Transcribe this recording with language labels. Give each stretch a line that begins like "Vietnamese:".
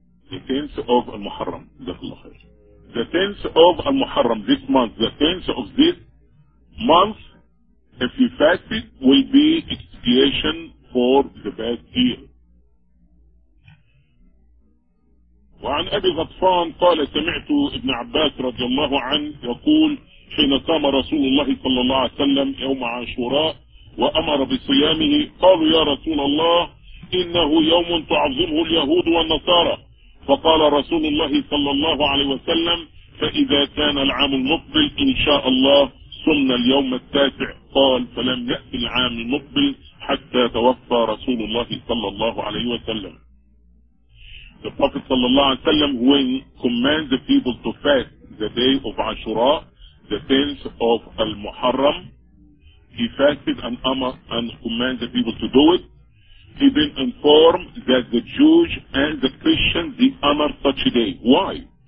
English: The 10th of Al-Muharram, the 10th of Al-Muharram, this month, the 10th of this month, if you fast it, will be expiation for the best year.
Arabic: وعن أبي غطفان قال سمعت ابن عباس رضي الله عنه يقول حين صام رسول الله صلى الله عليه وسلم يوم عاشوراء وأمر بصيامه قالوا يا رسول الله إنه يوم تعظمه اليهود والنصارى فقال رسول الله صلى الله عليه وسلم فإذا كان العام المقبل إن شاء الله صمنا اليوم التاسع قال فلم يأتي العام المقبل حتى توفى رسول الله صلى الله عليه وسلم.
English: The Prophet sallallahu alaihi wasallam when commands the people to fast the day of Ashura, the 10th of Al-Muharram, he fasted and amar and commanded the people to do it. He been informed that the Jews and the Christians, they honor such a day. Why?